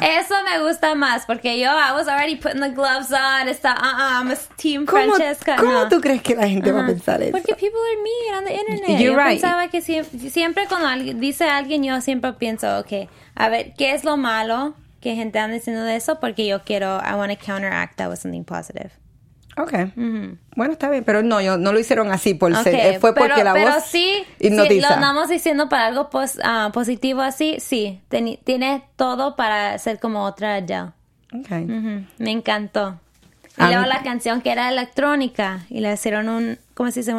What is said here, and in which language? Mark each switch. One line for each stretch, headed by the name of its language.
Spanish: Eso me gusta más, porque
English: I was already putting the gloves on. I'm a team Francesca.
Spanish: ¿Cómo tú crees que la gente va a pensar eso?
English: Porque people are mean on the internet. You're right.
Spanish: Pensaba que siempre cuando dice alguien, yo siempre pienso, a ver, ¿qué es lo malo que gente anda diciendo de eso? Porque yo quiero,
English: I want to counteract that with something positive. Okay.
Spanish: Bueno, está bien, pero no, no lo hicieron así por ser. Fue porque voz hipnotiza. Sí, lo andamos diciendo para algo positivo así, sí. Tiene todo para ser como otra ya.
English: Okay.
Spanish: Me encantó. Y luego la canción que era electrónica y le hicieron ¿cómo se dice?